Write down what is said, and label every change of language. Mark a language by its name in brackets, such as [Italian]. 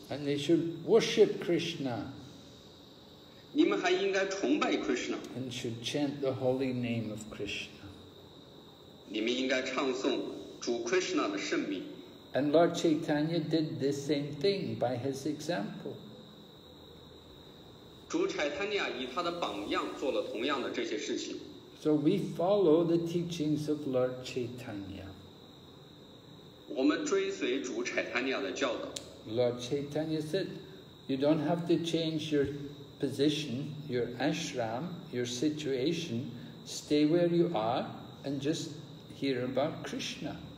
[English] and they should worship Krishna. [Chinese] 你们还应该崇拜 Krishna, [English] and should chant the holy name of Krishna. [Chinese] 你们应该唱诵主 Krishna 的圣名. [English] And Lord Chaitanya did this same thing by his example. [Chinese] 主柴坦尼亚以他的榜样做了同样的这些事情. [English] So we follow the teachings of Lord Chaitanya. Lord Chaitanya said, you don't have to change your position, your ashram, your situation. Stay where you are and just hear about Krishna.